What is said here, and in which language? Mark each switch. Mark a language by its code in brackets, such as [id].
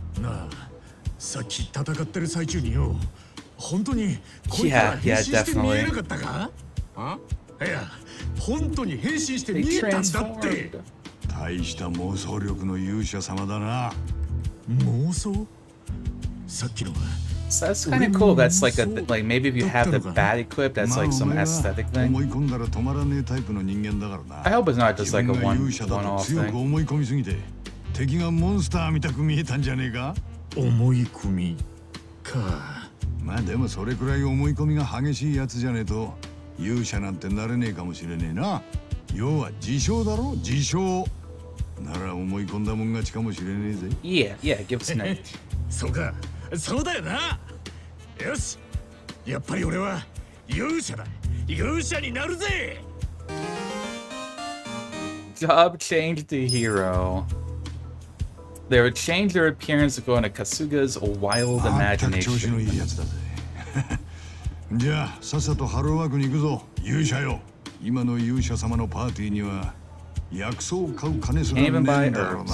[ja] なあ、さっき戦ってる最中によ。本当にこいつは変身して見えなかったか？いや、本当に変身して見えたんだって。大した妄想力の勇者様だな。妄想？さっきのは。 [en] So that's kind of cool. That's like a, like maybe if you have the bat equipped, that's like some aesthetic thing. I hope it's not just like a one-off thing. [ja] 強く思い込みすぎて、敵がモンスターみたく見えたんじゃねえか？思い込みか。まあでもそれくらい思い込みが激しいやつじゃねえと。勇者なんてなれねえかもしれねえな。要は自称だろ、自称。なら思い込んだもん勝ちかもしれねえぜ。いや、いや、ギブスナイト。そうか、そうだよな。よし、やっぱり俺は勇者だ。勇者になるぜ。 [en] Job change to hero. They would change their appearance to go into Kasuga's wild imagination. [ja] あんたく調子のいいやつだぜ。じゃあさっさとハローワークに行くぞ、勇者よ。今の勇者様のパーティーには薬草を買う金すらねえんだろうな。